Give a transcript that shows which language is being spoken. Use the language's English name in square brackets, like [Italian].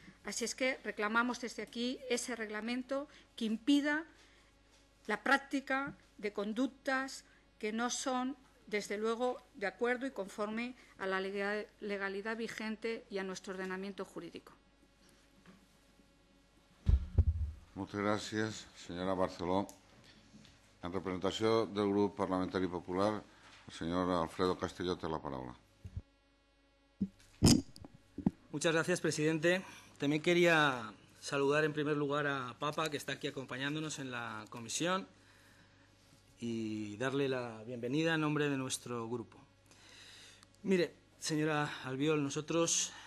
[Spanish] Así es que reclamamos desde aquí ese reglamento que impida la práctica de conductas que no son, desde luego, de acuerdo y conforme a la legalidad vigente y a nuestro ordenamiento jurídico. [Catalan] Moltes gràcies, senyora Barceló. En representació del grup parlamentari popular, el senyor Alfredo Castelló té la paraula. [Spanish] Muchas gracias, presidente. También quería saludar en primer lugar a Papa, que está aquí acompañándonos en la comisión, y darle la bienvenida en nombre de nuestro grupo. Mire, señora Albiol, nosotros